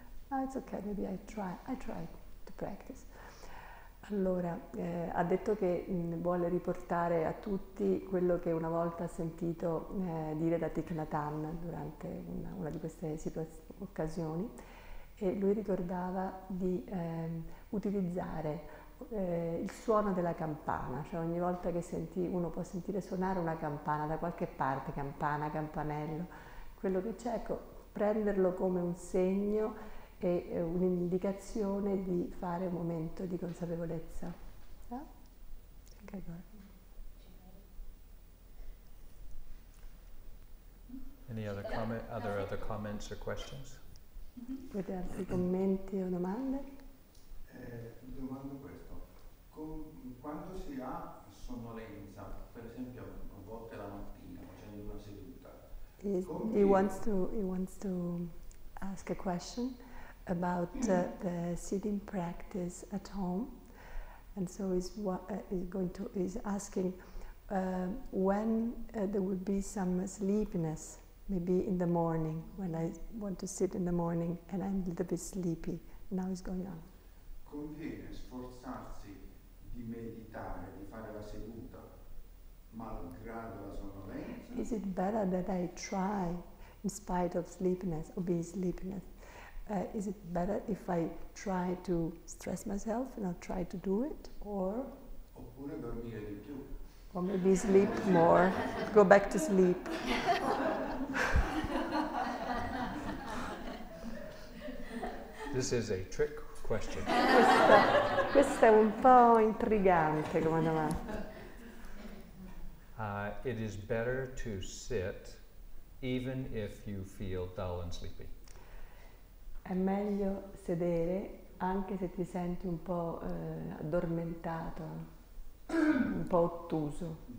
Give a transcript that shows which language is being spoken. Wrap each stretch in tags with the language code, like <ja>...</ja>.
<en>Oh, it's okay, maybe I try to practice.</en> <it>Allora, ha detto che vuole riportare a tutti quello che una volta ha sentito dire da Thich Nhat Hanh durante una di queste occasioni, e lui ricordava di utilizzare il suono della campana, cioè ogni volta che uno può sentire suonare una campana da qualche parte, campana, campanello, quello che c'è, ecco, prenderlo come un segno e un'indicazione di fare un momento di consapevolezza. No?</it> <en>Any other comment, other comments or questions?</en> <it>Avete altri commenti o domande? Domando questo. Quando si ha sonnolenza, per esempio a volte la mattina facendo una seduta,</it> <en>he wants to ask a question about the sitting practice at home, and so he's asking when there would be some sleepiness, maybe in the morning when I want to sit in the morning and I'm a little bit sleepy. Now he's going on.</en> <it>Conviene sforzarsi di meditare, di fare la seduta malgrado la sonnolenza?</it> <en>Is it better that I try in spite of sleepiness or being sleepiness? Is it better if I try to stress myself and I'll try to do it, or?</en> <it>Oppure dormire di più.</it> <en>Or maybe sleep more, go back to sleep. This is a trick question.</en> <it>Questa è un po' intrigante come domanda.</it> <en>It is better to sit even if you feel dull and sleepy.</en> <it>È meglio sedere anche se ti senti un po' addormentato, un po' ottuso.</it>